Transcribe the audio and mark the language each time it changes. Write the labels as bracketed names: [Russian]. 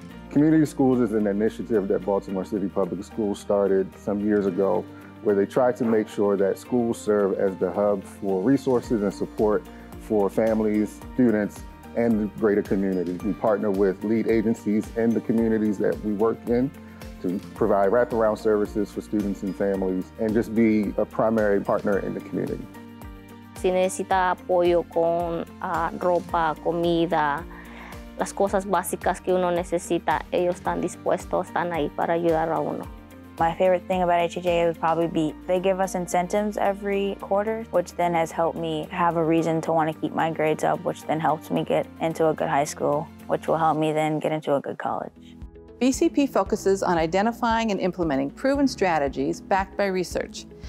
[English] Community schools is an initiative that Baltimore City Public Schools started some years ago, where they try to make sure that schools serve as the hub for resources and support for families, students, and the greater community. We partner with lead agencies in the communities that we work in to provide wraparound services for students and families and just be a primary partner in the community. [Spanish] Si necesita apoyo con ropa, comida, las cosas básicas que uno necesita, ellos están dispuestos, están ahí para ayudar a uno. [English] My favorite thing about HHA would probably be they give us incentives every quarter, which then has helped me have a reason to want to keep my grades up, which then helps me get into a good high school, which will help me then get into a good college. BCP focuses on identifying and implementing proven strategies backed by research.